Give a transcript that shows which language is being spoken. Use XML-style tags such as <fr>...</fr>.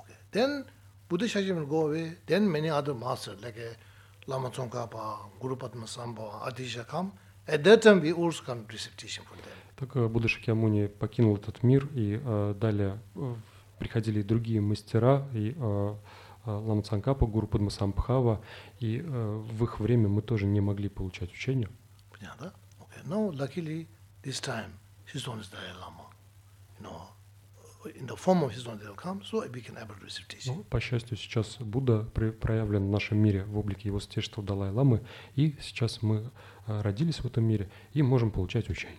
<en>Then Buddha Shakyamuni go away, then many other masters, like Lama Tsongkhapa, Guru Padmasambha, Adisha come. At that time we also come to receive teaching from them.</en> <ru>Так Будда Шакьямуни покинул этот мир, и далее приходили и другие мастера, и Лама Цанкапа, Гуру Падмасамбхава, и в их время мы тоже не могли получать учение. Понятно, да? Okay.</ru> <en>Now, luckily, this time, Shizuan is Dalai Lama. You know, in the form of Shizuan they'll come, so we can able to receive teaching.</en> <ru>Ну, по счастью, сейчас Будда проявлен в нашем мире в облике его святейшества Далай Ламы, и сейчас мы родились в этом мире и можем получать учение.</ru>